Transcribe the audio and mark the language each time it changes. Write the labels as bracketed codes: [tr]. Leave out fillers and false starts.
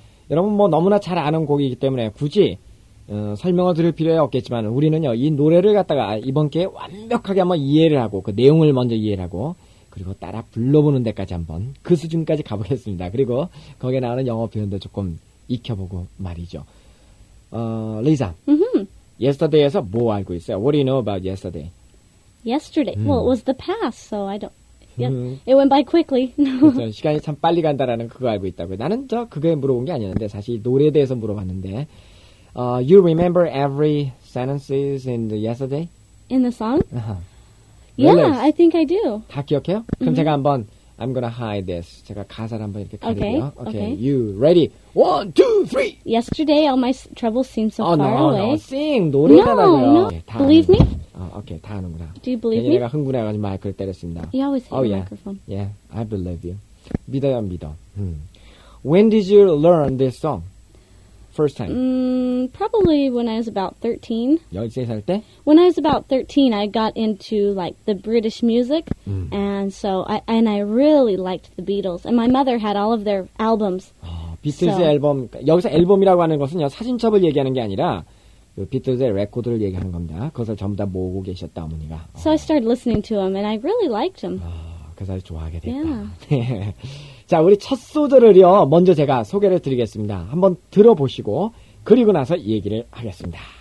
[ko] 여러분 뭐 너무나 잘 아는 곡이기 때문에 굳이 설명을 드릴 필요는 없겠지만 우리는요 이 노래를 갖다가 이번 기회에 완벽하게 한번 이해를 하고 그 내용을 먼저 이해를 하고 그리고 따라 불러보는 데까지 한번 그 수준까지 가보겠습니다. 그리고 거기에 나오는 영어 표현도 조금 익혀보고 말이죠. 리자. Yesterday에서 뭐 알고 있어요? [en] What do you know about yesterday? Yesterday. Well, it was the past, so I don't. Yeah, it went by quickly. [ko] 그렇죠. 시간이 참 빨리 간다라는 그거 알고 있다고요. 나는 저 그거에 물어본 게 아니었는데 사실 노래에 대해서 물어봤는데. [en] You remember every sentences in the yesterday? In the song? Uh-huh. Yeah, I think I do. [ko] 다 기억해요? 그럼 제가 한번. [en] I'm gonna hide this. [ko] 제가 가사를 한번 이렇게 가리고요. [en] Okay, okay. Okay. You ready? One, two, three. Yesterday, all my troubles seemed so far away. No, sing [ko] 노래잖아요. [en] No, no. Okay, believe me. [ko] Okay, 다 하는구나. [en] Do you believe me? [ko] 내가 흥분해가지고 마이크를 때렸습니다. [en] You always hit the microphone. Yeah, I believe you. [ko] 믿어요, 믿어. [en] When did you learn this song? First time? Probably when I was about 13. [ko] 13살 때? [en] When I was about 13, I got into like the British music. And so I really liked the Beatles. And my mother had all of their albums. [ko] 비틀즈 앨범. 여기서 앨범이라고 하는 것은요, 사진첩을 얘기하는 게 아니라 비틀즈의 레코드를 얘기하는 겁니다. 그것을 전부 다 모으고 계셨다, 어머니가. [en] So I started listening to them and I really liked them. [ko] 그래서 좋아하게 됐다. [en] Yeah. [ko] 자, 우리 첫 소절을요, 먼저 제가 소개를 드리겠습니다. 한번 들어보시고, 그리고 나서 얘기를 하겠습니다.